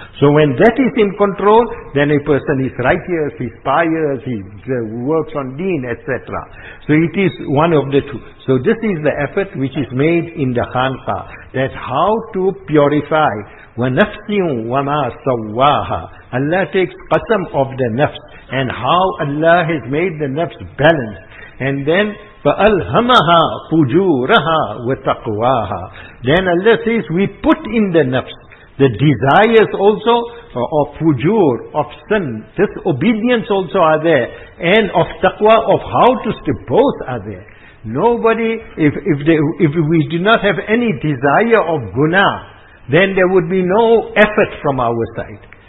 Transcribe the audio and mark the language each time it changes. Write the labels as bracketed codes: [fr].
[en] So when that is in control, then a person is righteous, he's pious, he works on deen, etc. So it is one of the two. So this is the effort which is made in the khanqah. That how to purify. [ar] وَنَفْسٍ وَمَا سَوَّاهَا. [en] Allah takes qasam of the nafs. And how Allah has made the nafs balanced. And then, [ar] فَأَلْهَمَهَا فُجُورَهَا وَتَقْوَاهَا. [en] Then Allah says, we put in the nafs, the desires also of fujur, of sin, this obedience also are there, and of taqwa, of how to stay, both are there. Nobody, if we do not have any desire of guna, then there would be no effort from our side.